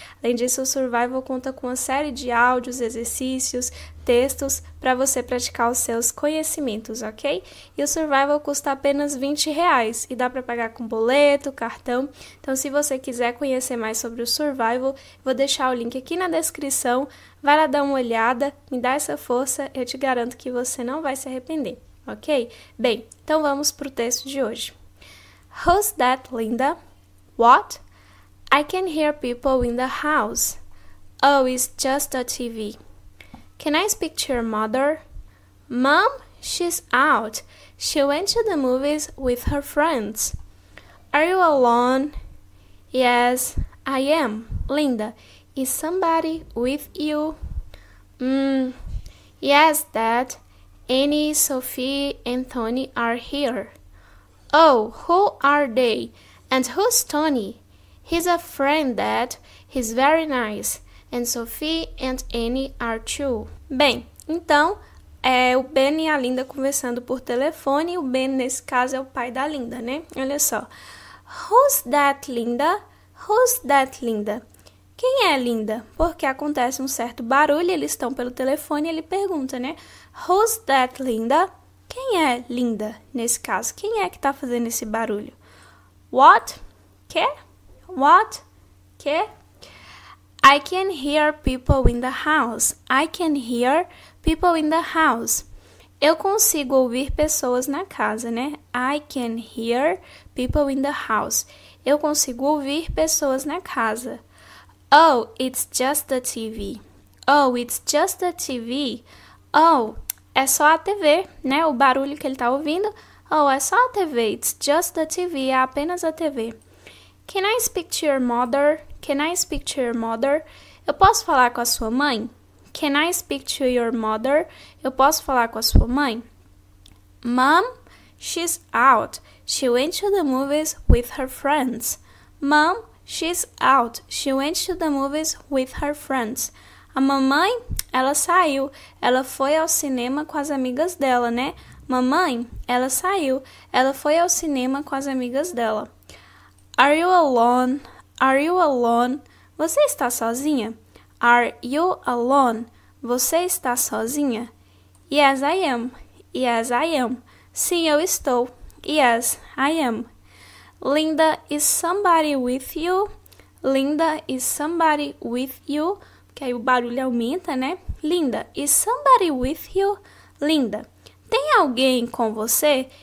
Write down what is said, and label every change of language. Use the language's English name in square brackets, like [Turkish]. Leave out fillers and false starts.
[Portuguese] Além disso, o Survival conta com uma série de áudios, exercícios, textos para você praticar os seus conhecimentos, ok? E o Survival custa apenas R$ 20 e dá para pagar com boleto, cartão. Então, se você quiser conhecer mais sobre o Survival, vou deixar o link aqui na descrição. Vai lá dar uma olhada, me dá essa força, eu te garanto que você não vai se arrepender, ok? Bem, então vamos para o texto de hoje. [English] Who's that, Linda? What? I can hear people in the house. Oh, it's just a TV. Can I speak to your mother? Mom, she's out. She went to the movies with her friends. Are you alone? Yes, I am. Linda, is somebody with you? Yes, Dad. Annie, Sophie, and Tony are here. Oh, who are they? And who's Tony? He's a friend, Dad. He's very nice. And Sophie and Annie are too. [Portuguese] Bem, então é o Ben e a Linda conversando por telefone. O Ben, nesse caso, é o pai da Linda, né? Olha só. [English] Who's that, Linda? Who's that, Linda? [Portuguese] Quem é Linda? Porque acontece um certo barulho, eles estão pelo telefone e ele pergunta, né? [English] Who's that, Linda? [Portuguese] Quem é Linda, nesse caso? Quem é que está fazendo esse barulho? [English] What? [Portuguese] Que? What? Que? [English] I can hear people in the house. I can hear people in the house. [Portuguese] Eu consigo ouvir pessoas na casa, né? [English] I can hear people in the house. [Portuguese] Eu consigo ouvir pessoas na casa. [English] Oh, it's just the TV. Oh, it's just the TV. [Portuguese] Oh, é só a TV, né? O barulho que ele está ouvindo. Oh, é só a TV. [English] It's just the TV. [Portuguese] É apenas a TV. [English] Can I speak to your mother? Can I speak to your mother? [Portuguese] Eu posso falar com a sua mãe? [English] Can I speak to your mother? [Portuguese] Eu posso falar com a sua mãe? [English] Mom, she's out. She went to the movies with her friends. Mom, she's out. She went to the movies with her friends. [Portuguese] A mamãe, ela saiu. Ela foi ao cinema com as amigas dela, né? Mamãe, ela saiu. Ela foi ao cinema com as amigas dela. [English] Are you alone? Are you alone? [Portuguese] Você está sozinha? [English] Are you alone? [Portuguese] Você está sozinha? [English] Yes, I am. Yes, I am. [Portuguese] Sim, eu estou. [English] Yes, I am. Linda, is somebody with you? Linda, is somebody with you? [Portuguese] Porque aí o barulho aumenta, né? [English] Linda, is somebody with you? [Portuguese] Linda, tem alguém com você?